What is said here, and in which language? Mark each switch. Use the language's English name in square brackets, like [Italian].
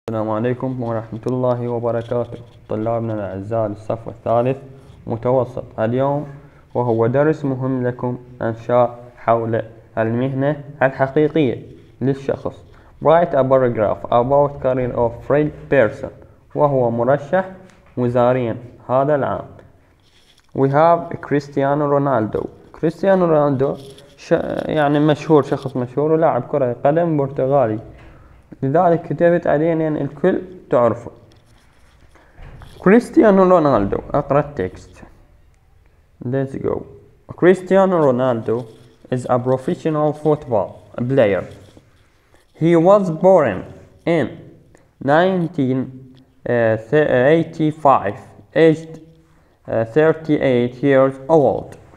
[Arabic] السلام عليكم ورحمة الله وبركاته، طلابنا الأعزاء للصف الثالث متوسط، اليوم وهو درس مهم لكم إنشاء حول المهنة الحقيقية للشخص. [English] Write a paragraph about career of Fred Pearson، [Arabic] وهو مرشح وزاريا هذا العام. [English] We have Cristiano Ronaldo. [Arabic] Cristiano Ronaldo يعني مشهور، شخص مشهور ولاعب كرة قدم برتغالي، لذلك كتبت عليه لأن الكل تعرفه. كريستيانو رونالدو، أقرأ التكست. [English] Let's go. Cristiano Ronaldo is a professional football player. He was born in 1985, aged 38 years old.